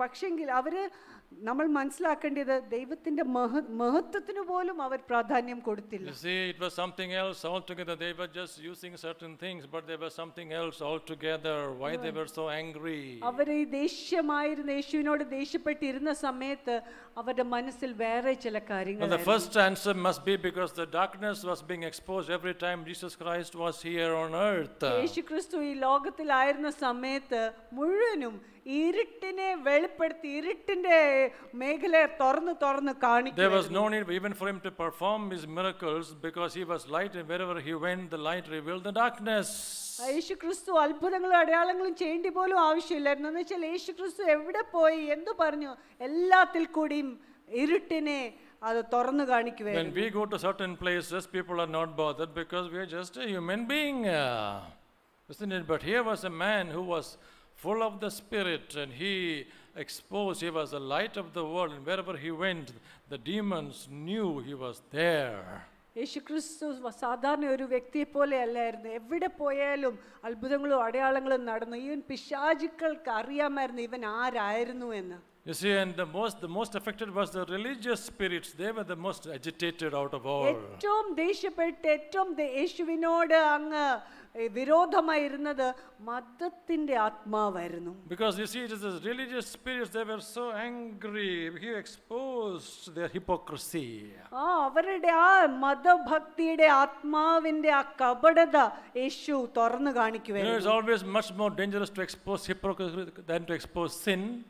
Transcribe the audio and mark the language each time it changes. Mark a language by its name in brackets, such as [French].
[Malayalam] പക്ഷേങ്കിൽ അവര് നമ്മൾ മനസ്സിലാക്കേണ്ടത് ദൈവത്തിന്റെ മഹത്വത്തിന് പോലും അവർ പ്രാധാന്യം കൊടുത്തില്ല. [English] See, it was something else altogether. They were just using certain things, but there was something else altogether why they were so angry. [Malayalam] അവർ ഈ ദേഷ്യമായിരുന്ന യേശുവിനോട് ദേഷ്യപ്പെട്ടിരുന്ന സമയത്ത് അവരുടെ മനസ്സിൽ വേറെ ചില കാര്യങ്ങൾ. [English] The first answer must be because the darkness was being exposed every time Jesus Christ was here on earth. [Malayalam] യേശുക്രിസ്തു ഈ ലോകത്തിൽ ആയിരുന്ന സമയത്ത് മുഴുവനും ഇരുട്ടിനെ വെളിപ്പെടുത്തി ഇരുട്ടിന്റെ മേഖലയെ തുറന്നു തുറന്നു കാണിക്കുന്നു. [English] There was no need even for him to perform his miracles because he was light and wherever he went the light revealed the darkness. [Malayalam] യേശുക്രിസ്തു അത്ഭുതങ്ങളും അടയാളങ്ങളും ചെയ്യേണ്ടി പോലും ആവശ്യമില്ലായിരുന്നു. എന്ന് വെച്ചാൽ യേശുക്രിസ്തു എവിടെ പോയി എന്ത് പറഞ്ഞു എല്ലാത്തിൽ കൂടിയും ഇരുട്ടിനെ അത് തുറന്നു കാണിക്കുകയായിരുന്നു. [English] When we go to certain places people are not bothered because we are just a human being, isn't it? But here was a man who was full of the spirit and he exposed, he was the light of the world and wherever he went the demons knew he was there. [Malayalam] യേശു ക്രിസ്തു സാധാരണ ഒരു വ്യക്തിയെ പോലെ അല്ലായിരുന്നു. എവിടെ പോയാലും അത്ഭുതങ്ങളും അടയാളങ്ങളും നടന്നു. ഈവൻ പിശാചുക്കൾക്ക് അറിയാമായിരുന്നു ഇവൻ ആരായിരുന്നു എന്ന്. [English] You see, and the most affected was the religious spirits. They were the most agitated out of all. [Malayalam] ഏറ്റവും ദേഷ്യപ്പെട്ട ഏറ്റവും യേശുവിനോട് അങ്ങ് വിരോധമായിരുന്നത് മതത്തിന്റെ ആത്മാവായിരുന്നു. [English] Because you see, it is the religious spirits, they were so angry. He exposed their hypocrisy. [Malayalam] അവരുടെ ആ മതഭക്തിയുടെ ആത്മാവിന്റെ ആ കപടത യേശു തുറന്നു കാണിക്കുകയായിരുന്നു. [English] It is always much more dangerous to expose hypocrisy than to expose sin.